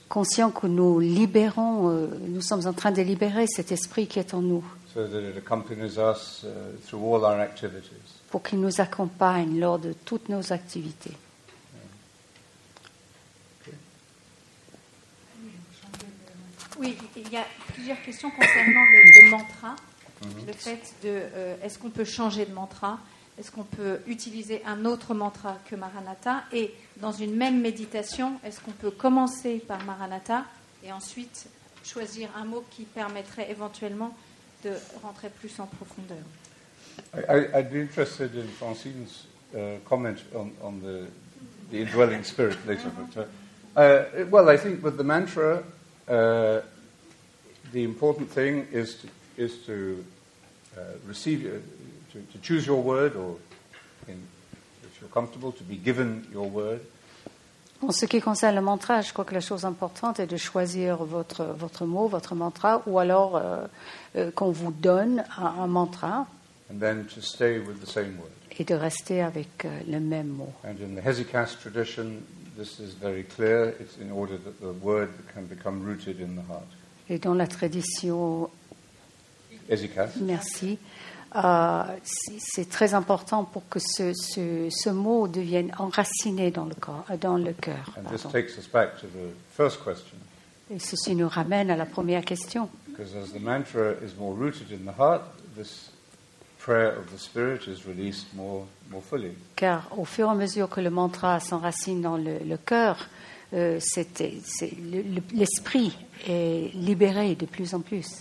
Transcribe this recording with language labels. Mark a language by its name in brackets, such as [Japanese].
[French] Conscient que nous libérons, nous sommes en train de libérer cet esprit qui est en nous. [English] So that it accompanies us through all our activities. [French] Pour qu'il nous accompagne lors de toutes nos activités. Oui, il y a plusieurs questions concernant le mantra. Mm-hmm. Le fait de, est-ce qu'on peut changer de mantra? Est-ce qu'on peut utiliser un autre mantra que Maranatha? Et dans une même méditation, est-ce qu'on peut commencer par Maranatha et ensuite choisir un mot qui permettrait éventuellement de rentrer plus en profondeur? [English] I'd be interested in Francine's comment on the indwelling spirit later. Mm-hmm. Well, I think with the mantra, the important thing is to receive it. To choose your word, or if you're comfortable, to be given your word. [French] En ce qui concerne le mantra, je crois que la chose importante est de choisir votre mot, votre mantra, ou alors qu'on vous donne un mantra. [English] And then to stay with the same word. [French] Et de rester avec le même mot. [English] And in the Hesychast tradition, this is very clear. It's in order that the word can become rooted in the heart. [French] Et dans la tradition Hesychast. Merci. C'est très important pour que ce mot devienne enraciné dans le cœur. [English] And this takes us back to the first question. [French] Et ceci nous ramène à la première question. [English] Because as the mantra is more rooted in the heart, this prayer of the Spirit is released more fully. [French] Car au fur et à mesure que le mantra s'enracine dans le cœur, l'esprit est libéré de plus en plus.